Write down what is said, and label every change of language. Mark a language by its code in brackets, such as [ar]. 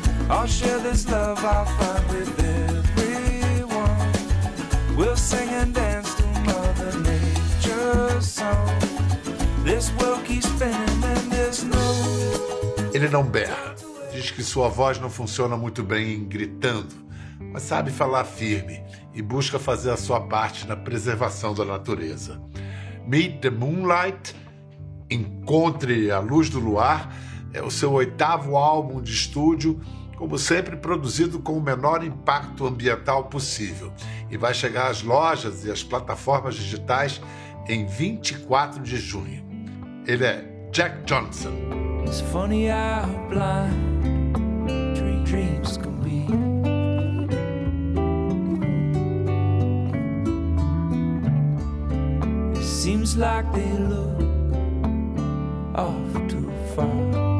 [en] I'll share this love I'll find with everyone. We'll sing and dance to Mother Nature's song. This world keeps spinning and there's no... [pt] Ele não berra. Diz que sua voz não funciona muito bem gritando, mas sabe falar firme e busca fazer a sua parte na preservação da natureza. Meet the Moonlight, Encontre a Luz do Luar, é o seu 8º álbum de estúdio, como sempre produzido com o menor impacto ambiental possível, e vai chegar às lojas e às plataformas digitais em 24 de junho. Ele é Jack Johnson. [en] It's funny how blind dreams can be. Seems like they look off too far.